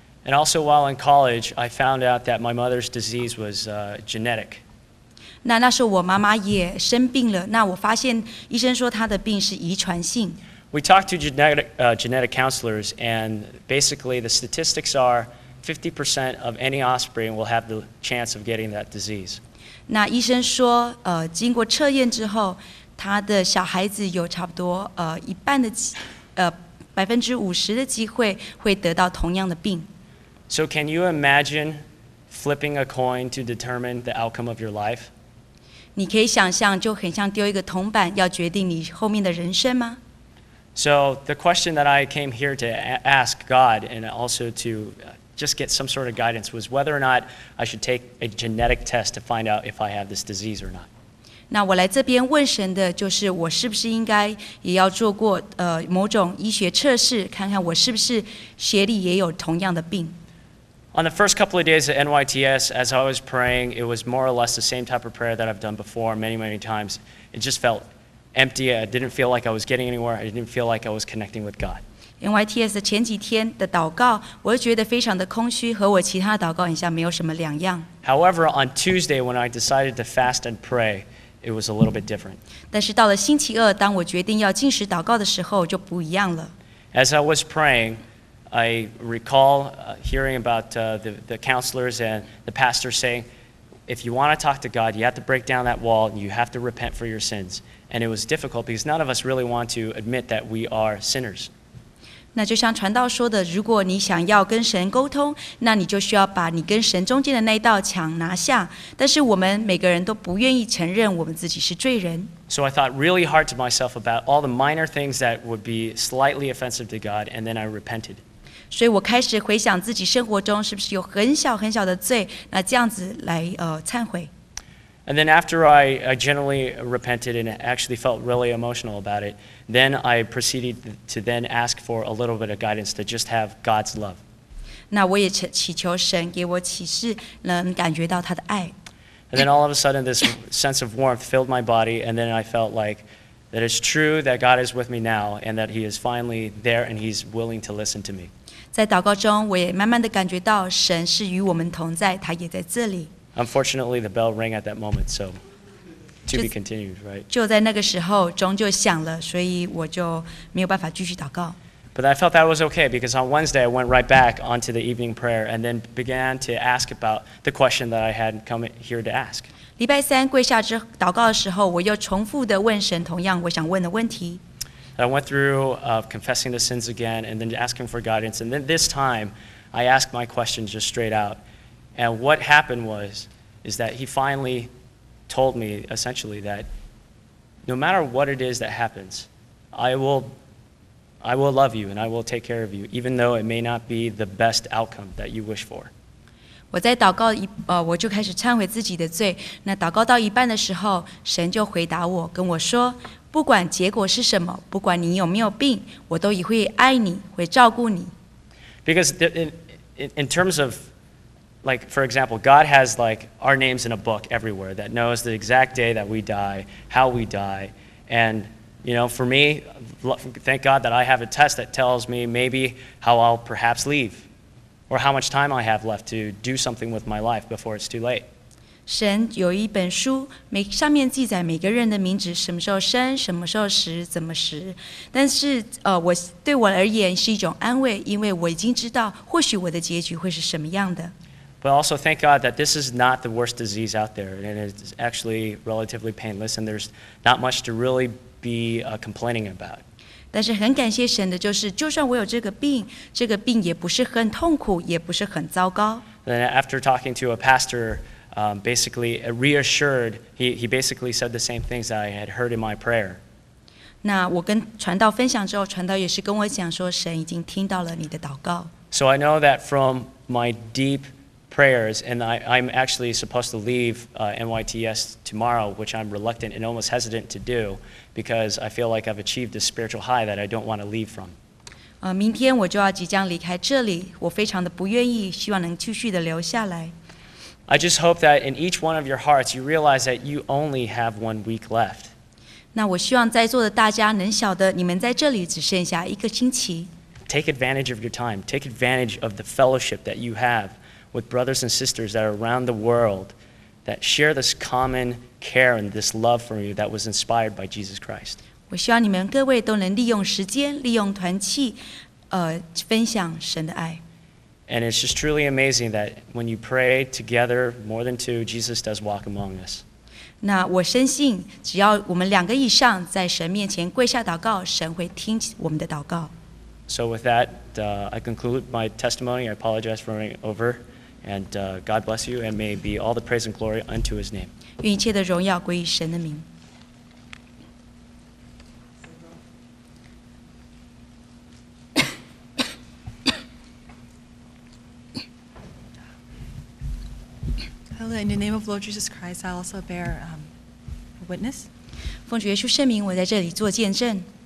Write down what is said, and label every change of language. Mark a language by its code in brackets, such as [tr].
[en] And also while in college, I found out that my mother's disease was genetic. [zh] 那时候我妈妈也生病了，那我发现医生说她的病是遗传性。 [en] We talked to genetic counselors, and basically the statistics are. 50% of any offspring will have the chance of getting that disease. [zh] 那医生说，经过测验之后，他的小孩子有差不多一半的50%的机会会得到同样的病。 [en] So can you imagine flipping a coin to determine the outcome of your life? [zh] 你可以想象，就很像丢一个铜板，要决定你后面的人生吗？ [en] So the question that I came here to ask God and also to just get some sort of guidance was whether or not I should take a genetic test to find out if I have this disease or not. [zh] 那我来这边问神的就是我是不是应该也要做过某种医学测试，看看我是不是血里也有同样的病。 [en] On the first couple of days at NYTS, as I was praying, it was more or less the same type of prayer that I've done before many, many times. It just felt empty. I didn't feel like I was getting anywhere. I didn't feel like I was connecting with God. [zh] NYTS 的前几天的祷告，我就觉得非常的空虚，和我其他的祷告很像，没有什么两样。 [en] However, on Tuesday, when I decided to fast and pray, it was a little bit different. [zh] 但是到了星期二，当我决定要禁食祷告的时候，就不一样了。 [en] As I was praying,I recall hearing about the counselors and the pastor saying, if you want to talk to God, you have to break down that wall and you have to repent for your sins. And it was difficult because none of us really want to admit that we are sinners. [zh] 那就像传道说的，如果你想要跟神沟通，那你就需要把你跟神中间的那一道墙拿下。但是我们每个人都不愿意承认我们自己是罪人。 [en] So I thought really hard to myself about all the minor things that would be slightly offensive to God, and then I repented. [zh] 所以我开始回想自己生活中是不是有很小很小的罪，那这样子来忏悔。 [en] And then after I genuinely repented and actually felt really emotional about it, then I proceeded to then ask for a little bit of guidance to just have God's love. [zh] 那我也祈求神给我启示，能感觉到他的爱。 [en] And then all of a sudden, this sense of warmth filled my body, and then I felt like that it's true that God is with me now, and that He is finally there, and He's willing to listen to me. [zh] 在祷告中，我也慢慢地感觉到神是与我们同在，他也在这里。 [en] Unfortunately, the bell rang at that moment, so to be continued, right? [zh] 就在那个时候，钟就响了，所以我就没有办法继续祷告。 [en] But I felt that was okay because on Wednesday I went right back onto the evening prayer and then began to ask about the question that I had come here to ask. [zh] 礼拜三跪下之祷告的时候，我又重复地问神同样我想问的问题。 [en] I went through confessing the sins again and then asking for guidance, and then this time I asked my question just straight out. And what happened was is that he finally told me essentially that no matter what it is that happens, I will love you and I will take care of you, even though it may not be the best outcome that you wish for. [zh] 我在祷告我就开始忏悔自己的罪。那祷告到一半的时候，神就回答我，跟我说，不管结果是什么，不管你有没有病，我都会爱你，会照顾你。 [en] Because in terms of, like, for example, God has like our names in a book everywhere that knows the exact day that we die, how we die, and you know, for me, thank God that I have a test that tells me maybe how I'll perhaps leave or how much time I have left to do something with my life before it's too late. [zh] 神有一本书，上面记载每个人的名字，什么时候生，什么时候死，怎么死。但是我对我而言是一种安慰，因为我已经知道或许我的结局会是什么样的。 [en] But also thank God that this is not the worst disease out there, and it's actually relatively painless, and there's not much to really be complaining about. [zh] 但是很感谢神的就是，就算我有这个病，这个病也不是很痛苦，也不是很糟糕。 [en] Then after talking to a pastor, basically reassured, he basically said the same things that I had heard in my prayer. [zh] 那我跟传道分享之后，传道也是跟我讲说，神已经听到了你的祷告。 [en] So I know that from my deep prayers, and I'm actually supposed to leave NYTS tomorrow, which I'm reluctant and almost hesitant to do, because I feel like I've achieved a spiritual high that I don't want to leave from. [zh] 明天我就要即将离开这里，我非常的不愿意，希望能继续的留下来。 [en] I just hope that in each one of your hearts, you realize that you only have 1 week left. [zh] 那我希望在座的大家能晓得，你们在这里只剩下一个星期。 [en] Take advantage of your time. Take advantage of the fellowship that you have with brothers and sisters that are around the world that share this common care and this love for you that was inspired by Jesus Christ. [zh] 我希望你们各位都能利用时间，利用团契，分享神的爱。 [en] And it's just truly amazing that when you pray together more than two, Jesus does walk among us. [zh] 那我深信，只要我们两个以上在神面前跪下祷告，神会听我们的祷告。 [en] So with that, I conclude my testimony. I apologize for running over. And God bless you, and may be all the praise and glory unto His name. [zh] 愿一切的荣耀归于神的名。 [en] Hello, in the name of Lord Jesus Christ, I also bear witness. [zh] 奉主耶稣圣名，我在这里做见证。